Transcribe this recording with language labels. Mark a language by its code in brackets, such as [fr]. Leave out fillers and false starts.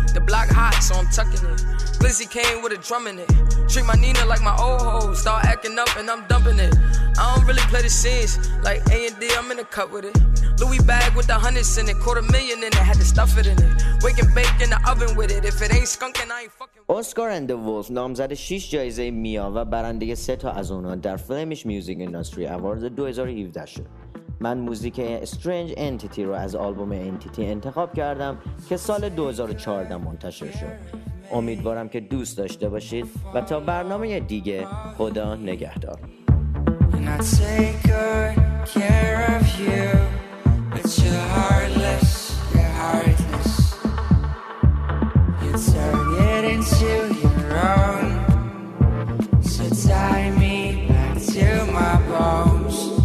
[en] The block hot, so I'm tucking it. Glizzy came with a drum in it. Treat my Nina like my old hoes. Start acting up and I'm dumping it. I don't really play the scenes. Like A and D, I'm in a cut with it. Louis bag with the hundreds in it. Quarter million in it. Had to stuff it in it. Wake and bake in the oven with it. If it ain't skunkin', I ain't fucking. [fa] Oscar and the Wolf نامزد 6 جایزه میا و برنده 3 تا از اونها در فلمیش میوزیک اینداستری اوارد 2017 شد. من موزیک استرنج انتیتی رو از آلبوم انتیتی انتخاب کردم که سال 2014 منتشر شد. امیدوارم که دوست داشته باشید و تا برنامه دیگه خدا نگهدار. [en] And I take good care of you, but you're heartless, you're heartless. You turn it into your own, so tie me back to my bones.